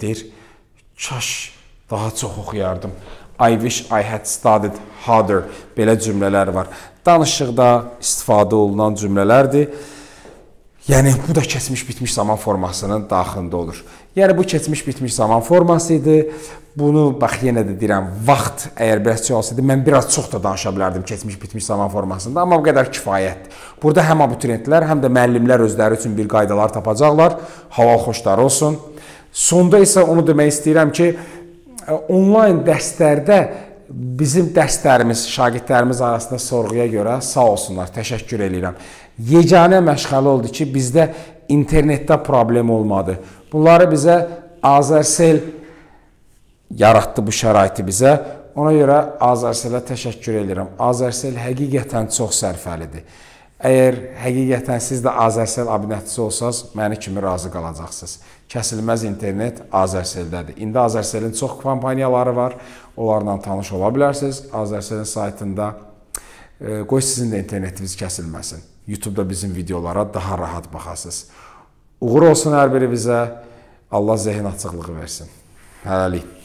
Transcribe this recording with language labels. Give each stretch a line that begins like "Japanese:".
Azerbaijani: Deyir, kaş daha çox oxuyardım.
English: I wish I had studied harder.
Azerbaijani: Belə cümlələr var. Danışıqda istifadə olunan cümlələrdir. Yəni, bu da keçmiş bitmiş zaman formasının daxilində olur. Yəni, bu keçmiş bitmiş zaman formasıydı. Bunu, bax, yenə də deyirəm, vaxt əgər biraz çox olsaydı, mən biraz çox da danışa bilərdim keçmiş bitmiş zaman formasında, amma bu qədər kifayətdir. Burada həm abituriyentlər, həm də müəllimlər özləri üçün bir qaydalar tapacaqlar. Halal xoşlar olsun. Sonda isə onu demək istəyirəm ki, onlayn dərslərdə bizim dərslərimiz, şagirdlərimiz arasında sorğuya görə sağ olsunlar, təşəkkür edirəm. Yeganə məşğələ oldu ki, bizdə internetdə problem olmadı. Bunları bizə Azercell yaratdı bu şəraiti bizə. Ona görə Azercellə təşəkkür edirəm. Azercell həqiqətən çox sərfəlidir. Əgər həqiqətən siz də Azercell abunəçisi olsanız, məni kimi razı qalacaqsınız. Kəsilməz internet Azercell-dədir. İndi Azercell-in çox kampaniyaları var. Onlarla tanış ola bilərsiniz. Azercell-in saytında qoy sizin də internetiniz kəsilməsin. YouTube-da bizim videolara daha rahat baxasınız. Uğur olsun hər biri bizə. Allah zəhin açıqlığı versin. Hələlik.